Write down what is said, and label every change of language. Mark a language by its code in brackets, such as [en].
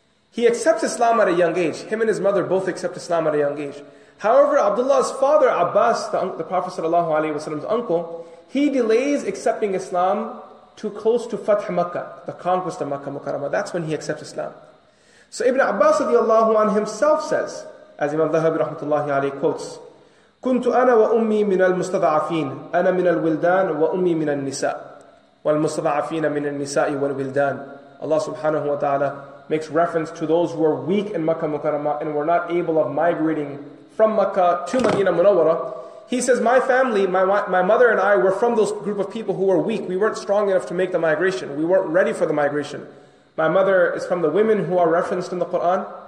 [en] He accepts Islam at a young age. Him and his mother both accept Islam at a young age. However, Abdullah's father Abbas, the Prophet sallallahu alaihi wasallam's uncle, he delays accepting Islam too close to Fath Makkah, the conquest of Makkah Mukarramah. That's when he accepts Islam. So Ibn Abbas radiallahu anhu himself says, as Imam Dhahabi rahmatullahi alayhi quotes, [ar] كنت أنا وأمي من المستضعفين أنا من الولدان وأمي من النساء والمستضعفين من النساء والولدان. [en] Allah subhanahu wa ta'ala makes reference to those who are weak in Makkah Mukarramah and were not able of migrating from Makkah to Medina Munawwara. He says, my family, my mother and I were from those group of people who were weak. We weren't strong enough to make the migration. We weren't ready for the migration. My mother is from the women who are referenced in the Quran.